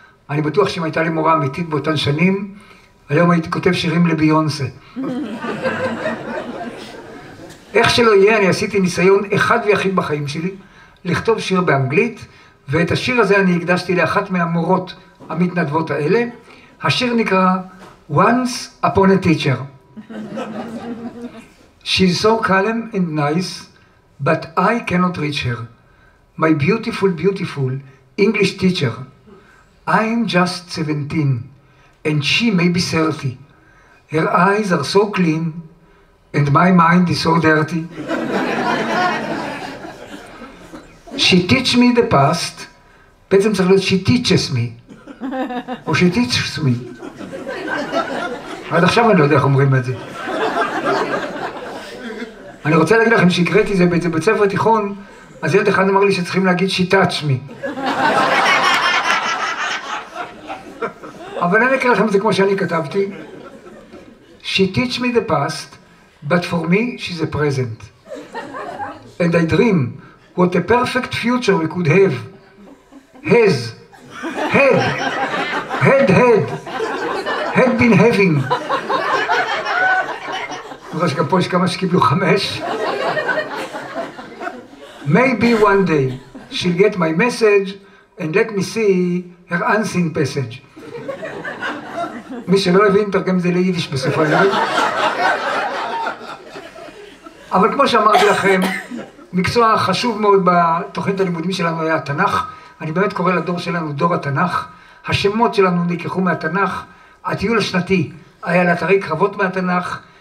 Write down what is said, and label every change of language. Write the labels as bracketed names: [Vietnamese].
[Hebrew] אני בטוח שאם הייתה לי מורה אמיתית באותן שנים, היום הייתי כותב שירים לביונסה. איך שלא יהיה, אני עשיתי ניסיון אחד ויחיד בחיים שלי, לכתוב שיר באנגלית, ואת השיר הזה אני הקדשתי לאחת מהמורות המתנדבות האלה. השיר נקרא Once Upon a Teacher. [English] She's so calm and nice, but I cannot reach her. My beautiful, beautiful English teacher. I'm just 17, and she may be 30. Her eyes are so clean, and my mind is so dirty. She teach me the past. [Hebrew] בעצם צריך להיות, [English] she teaches me. [Hebrew] או [English] she teaches me. [Hebrew] עד עכשיו אני לא יודע איך אומרים את זה. אני רוצה להגיד לכם שהקראתי זה בעצם בית ספר תיכון, אז ילד אחד אמר לי שצריכים להגיד שיטת שמי. אבל אני אקרא לכם את זה כמו שאני כתבתי. [English] She teach me the past, but for me she's a present. And I dream what a perfect future we could have. Has. Had. Had had. Had been having. [Hebrew] אז גם פה יש כמה שקיבלו 5. [English] Maybe one day she'll get my message and let me see her unseen passage. [Hebrew] מי שלא הבין, תרגם זה ליידיש בסוף הלילה. אבל כמו שאמרתי לכם, מקצוע חשוב מאוד בתוכנית הלימודים שלנו היה התנ"ך. אני באמת קורא לדור שלנו דור התנ"ך. השמות שלנו נלקחו מהתנ"ך. הטיול השנתי היה לאתרי קרבות מהתנ"ך.